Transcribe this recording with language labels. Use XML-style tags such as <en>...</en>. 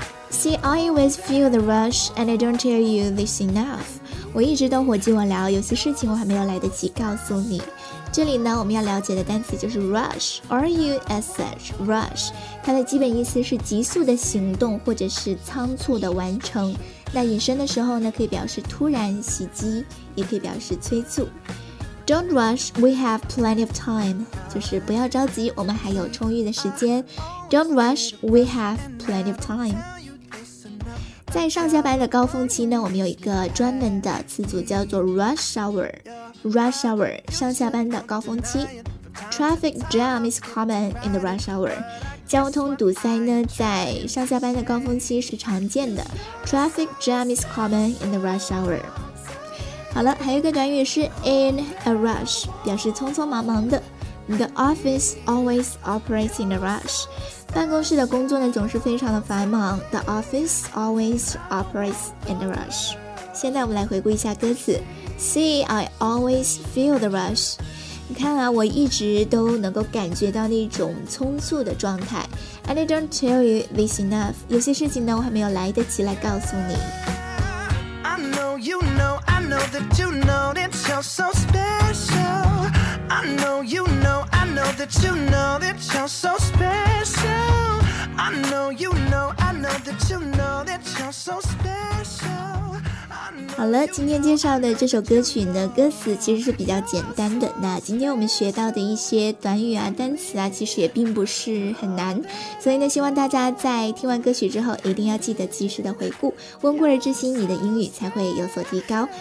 <en>See, I always feel the rush and I don't tell you this enough，</en> <zh>我一直都火急火燎，有些事情我还没有来得及告诉你。这里呢我们要了解的单词就是 rush， R-U-S-H， rush， 它的基本意思是急速的行动或者是仓促的完成。那引申的时候呢，可以表示突然袭击，也可以表示催促。</zh> <en>Don't rush, we have plenty of time，</en> <zh>就是不要着急，我们还有充裕的时间。</zh> <en>Don't rush, we have plenty of time。</en> <zh>在上下班的高峰期呢，我们有一个专门的词组叫做 rush hour， rush hour 上下班的高峰期。</zh> <en>Traffic jam is common in the rush hour，</en> <zh>交通堵塞呢在上下班的高峰期是常见的。</zh> <en>Traffic jam is common in the rush hour。</en> <zh>好了，还有一个短语是 in a rush， 表示匆匆忙忙的。</zh> <en>The office always operates in a rush，</en> <zh>办公室的工作呢总是非常的繁忙。</zh> <en>The office always operates in a rush。</en> <zh>现在我们来回顾一下歌词。</zh> <en>See, I always feel the rush，</en> <zh>你看啊，我一直都能够感觉到那种匆促的状态。</zh> <en>And I don't tell you this enough，</en> <zh>有些事情呢我还没有来得及来告诉你。</zh> <en>I know you know， I know that you know that you're so special， I know you know， I know that you know that you're so special。 I know you know, I know that you know that you're so special. I know</en> <zh>好了，今天介绍的这首歌曲呢，歌词其实是比较简单的。那今天我们学到的一些短语啊、单词啊，其实也并不是很难。所以呢，希望大家在听完歌曲之后，一定要记得及时的回顾，温故而知新，你的英语才会有所提高。</zh>